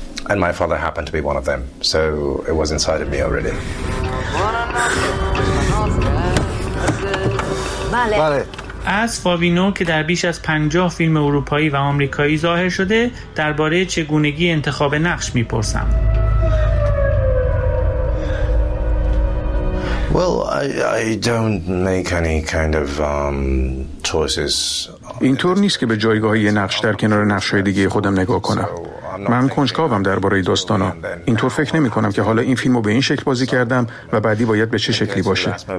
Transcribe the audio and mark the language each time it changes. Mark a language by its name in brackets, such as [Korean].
[English] And my father happened to be one of them, so it was inside of me already. Vale. [Persian] از فابینو که در بیش از 50 فیلم اروپایی و آمریکایی ظاهر شده، درباره چگونگی انتخاب نقش می‌پرسم. [English] Well, I don't make any kind of choices. [Persian] اینطور نیست که به جایگاه یه نقش در کنار نقش‌های دیگه خودم نگاه کنم. من کنجکاوم درباره داستانا. اینطور فکر نمی کنم که حالا این فیلمو به این شکل بازی کردم و بعدی باید به چه شکلی باشه.